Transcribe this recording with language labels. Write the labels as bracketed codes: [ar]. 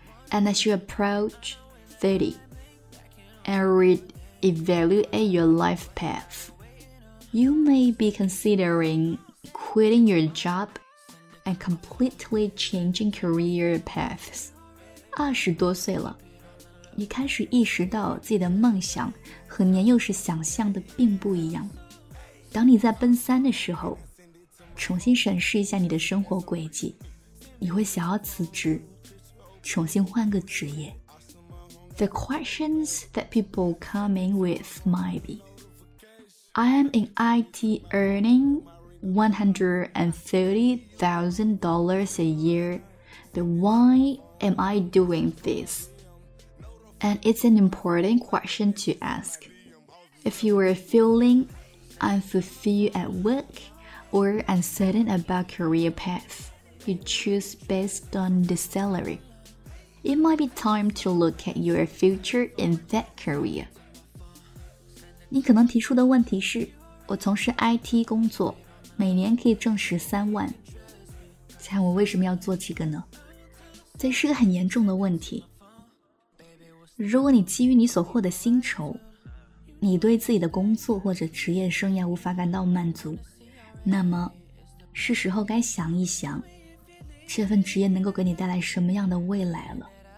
[en] And as you approach 30 and re-evaluate your life path, you may be considering quitting your job and completely changing career paths. [zh] 二十多岁了，你开始意识到自己的梦想和年幼时想象的并不一样。当你在奔三的时候，重新审视一下你的生活轨迹，你会想要辞职，重新换个职业。 [en] The questions that people come in with might be, I am in IT earning $130,000 a year, but why am I doing this? And it's an important question to ask. If you are feeling unfulfilled at work or uncertain about career path you choose based on the salary, it might be time to look at your future in that career. [zh] 你可能提出的问题是，我从事 IT 工作，每年可以挣13万，猜我为什么要做这个呢？这是个很严重的问题。如果你基于你所获的薪酬，你对自己的工作或者职业生涯无法感到满足，那么是时候该想一想，这份职业能够给你带来什么样的未来了。